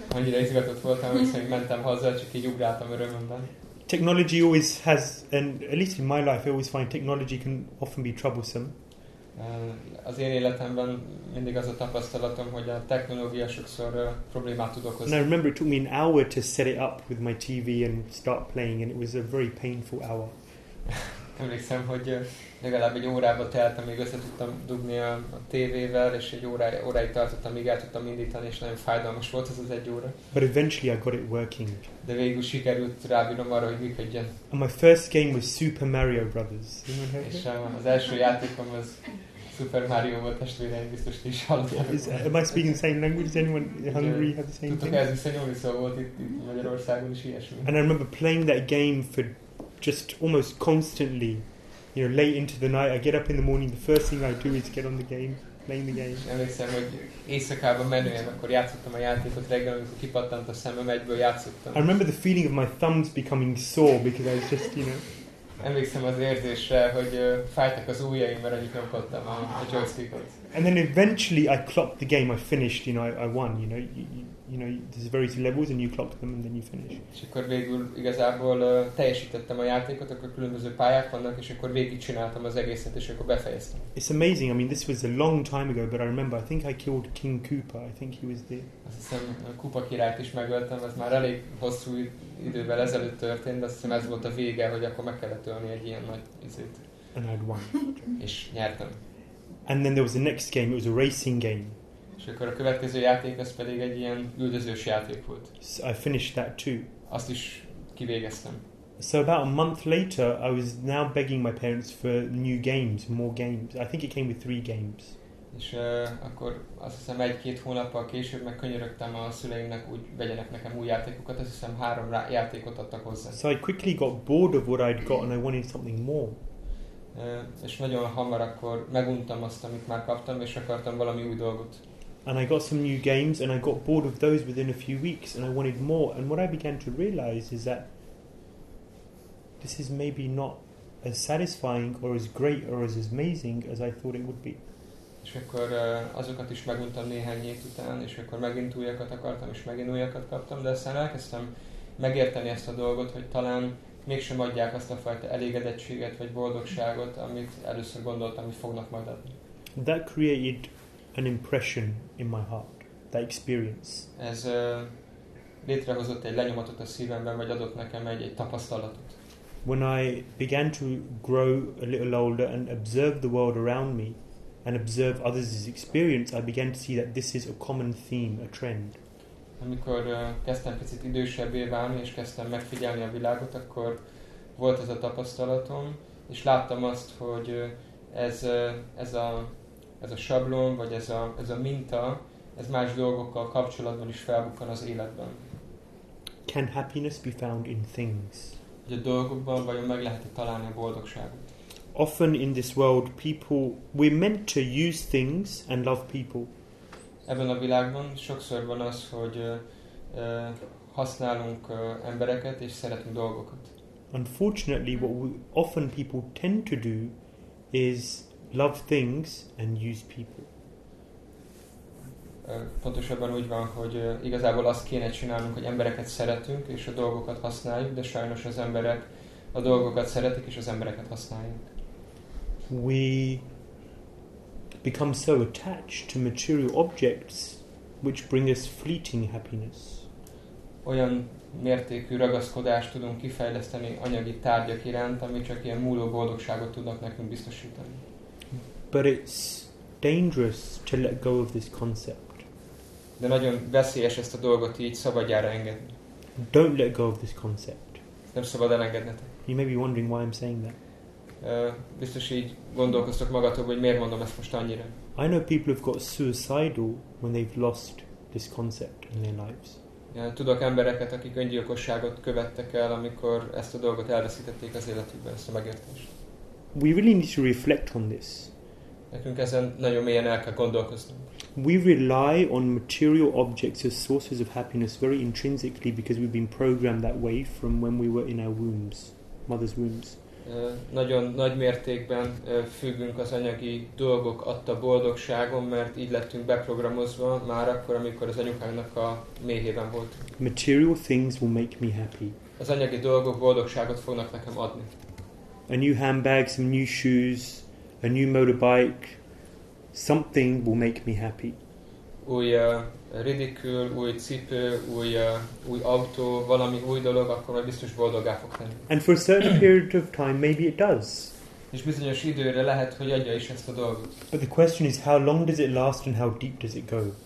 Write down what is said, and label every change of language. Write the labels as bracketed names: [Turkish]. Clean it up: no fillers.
[Hungarian] Annyira izgatott voltam, hogy mentem haza, csak így ugráltam örömömben. [English] Technology always has, and at least in my life, I always find technology can often be troublesome. [Hungarian] Az én életemben mindig az a tapasztalatom, hogy a technológia sokszor problémát tud okozni. [English] And I remember it took me an hour to set it up with my TV and start playing, and it was a very painful hour. [Hungarian] Emlékszem, hogy legalább egy órába teltem, még össze tudtam dugni a tévével, és egy óráig tartottam, míg el tudtam indítani, és nagyon fájdalmas volt az egy óra. [English] But eventually I got it working. [Hungarian] De végül sikerült rábírnom arra, hogy működjön. [English] And my first game was Super Mario Brothers. [Hungarian] És az első játékom az Super Mario volt, testvéreim, biztos ti is hallottam. [English] Am I speaking the same language? Does anyone hungry have the same thing? [Hungarian] Tudtok, ez viszonyom, hogy szóval volt itt Magyarországon is ilyesmi. [English] And I remember playing that game for just almost constantly, you know, late into the night. I get up in the morning, the first thing I do is get on the game, playing the game. [Hungarian] Emlékszem, hogy éjszakában menően, akkor játszottam a játékot reggel, amikor kipattant a szemem, egyből játszottam. [English] I remember the feeling of my thumbs becoming sore because I was just, you know. [Hungarian] Emlékszem az érzésre, hogy fájtak az ujjaim, mert annyit nyomkodtam a joystickot. [English] And then eventually I clocked the game, I finished, you know, I won, you know. You know, there's various levels and you clock them and then you finish. [Hungarian] És akkor végül igazából teljesítettem a játékot, akkor különböző pályák vannak, és akkor végigcsináltam az egészet, és akkor befejeztem. [English] It's amazing, I mean, this was a long time ago, but I remember, I think I killed King Koopa, I think he was the... [Hungarian] Azt hiszem, a Koopa királyt is megöltem, ez már elég hosszú idővel ezelőtt történt, de azt hiszem ez volt a vége, hogy akkor meg kellett ölni egy ilyen nagy izét. [English] And I'd won. [Hungarian] És nyertem. [English] And then there was the next game, it was a racing game. [Hungarian] És akkor a következő játék, ez pedig egy ilyen üldözős játék volt. [English] So I finished that too. [Hungarian] Azt is kivégeztem. [English] So about a month later, I was now begging my parents for new games, more games. I think it came with 3 games. [Hungarian] És akkor azt hiszem 1-2 hónappal később meg könyörögtem a szüleimnek, úgy vegyenek nekem új játékokat, azt hiszem 3 játékot adtak hozzá. [English] So I quickly got bored of what I'd got and I wanted something more. [Hungarian] És nagyon hamar akkor meguntam azt, amit már kaptam, és akartam valami új dolgot. [English] And I got some new games, and I got bored of those within a few weeks, and I wanted more. And what I began to realize is that this is maybe not as satisfying, or as great, or as amazing as I thought it would be. [Hungarian] És akkor azokat is meguntam néhány év után, és akkor megint újakat akartam, és megint újakat kaptam, de aztán elkezdtem megérteni ezt a dolgot, hogy talán mégsem adják azt a fajta elégedettséget, vagy boldogságot, amit először gondoltam, hogy fognak majd adni. [English] That created an impression in my heart, that experience. [Hungarian] Ez létrehozott egy lenyomatot a szívemben, vagy adott nekem egy tapasztalatot. [English] When I began to grow a little older and observe the world around me and observe others' experience, I began to see that this is a common theme, a trend. [Hungarian] Amikor kezdtem picit idősebbé válni, és kezdtem megfigyelni a világot, akkor volt ez a tapasztalatom, és láttam azt, hogy ez a sablon, vagy ez a minta, ez más dolgokkal kapcsolatban is felbukkan az életben. [English] can happiness be found in things? [Hungarian] A dolgokban vajon meg lehet találni a boldogságot? [English] Often in this world, people, we're meant to use things and love people. [Hungarian] Ebben a világban sokszor van az, hogy használunk embereket és szeretünk dolgokat. [English] Unfortunately, what we, often people tend to do is love things and use people. [Hungarian] Pontosabban úgy van, hogy igazából azt kéne csinálnunk, hogy embereket szeretünk és a dolgokat használjuk, de sajnos az emberek a dolgokat szeretik és az embereket használják. [English] We become so attached to material objects which bring us fleeting happiness. [Hungarian] Olyan mértékű ragaszkodást tudunk kifejleszteni anyagi tárgyak iránt, ami csak ilyen múló boldogságot tudnak nekünk biztosítani. [English] But it's dangerous to let go of this concept. [Hungarian] De nagyon veszélyes ezt a dolgot így szabadjára engedni. [English] Don't let go of this concept. [Hungarian] Nem szabad elengednetek. [English] You may be wondering why I'm saying that. [Hungarian] Biztos így gondolkoztok magatok, hogy miért mondom ezt most annyira. [English] I know people have got suicidal when they've lost this concept in their lives. [Hungarian] Tudok embereket, akik öngyilkosságot követtek el, amikor ezt a dolgot elveszítették az életükben, ezt a megértést. [English] We really need to reflect on this. [Hungarian] Nekünk ezen nagyon mélyen el kell gondolkoznunk. [English] We rely on material objects as sources of happiness very intrinsically because we've been programmed that way from when we were in our wombs, mother's wombs. [Hungarian] Nagyon nagy mértékben függünk az anyagi dolgok adta boldogságon, mert így lettünk beprogramozva már akkor, amikor az anyukánknak a méhében volt. [English] Material things will make me happy. [Hungarian] Az anyagi dolgok boldogságot fognak nekem adni. [English] A new handbag, some new shoes, a new motorbike, something will make me happy. [Hungarian] Új ridikül, új cipő, új autó, valami új dolog, akkor majd biztos boldoggá fog tenni. [English] And for a certain period of time, maybe it does. [Hungarian] És bizonyos időre lehet, hogy adja is ezt a dolgot. [English] But the question is, how long does it last and how deep does it go?